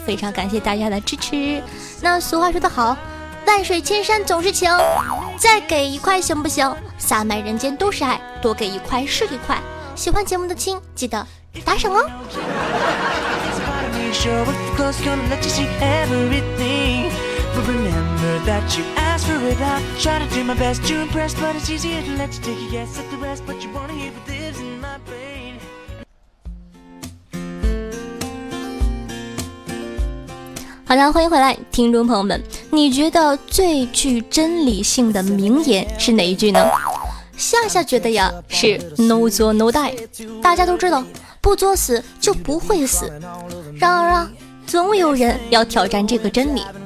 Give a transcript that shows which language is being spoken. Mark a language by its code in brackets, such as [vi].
[zh] 非常感谢大家的支持。那俗话说得好，万水千山总是情，再给一块行不行？洒满人间都是爱，多给一块是一块。喜欢节目的亲，记得打赏哦。 [en] Remember that you asked for it. I try to do my best to impress, but it's easier to let you take a guess at the rest. But you wanna hear what lives in my brain. [zh] Hello, 欢迎回来，听众朋友们，你觉得最具真理性的名言是哪一句呢？夏夏觉得呀，是 [en] No 作 No die。 [zh] 大家都知道，不作死就不会死。然而啊，总有人要挑战这个真理。